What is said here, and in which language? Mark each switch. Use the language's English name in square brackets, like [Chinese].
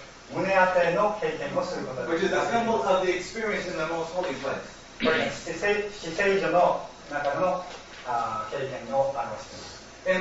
[Japanese] 胸当ての経験をすることです。 [English] Which is a symbol of the experience in the most holy place. [Japanese] 死聖所の中の経験を表しています。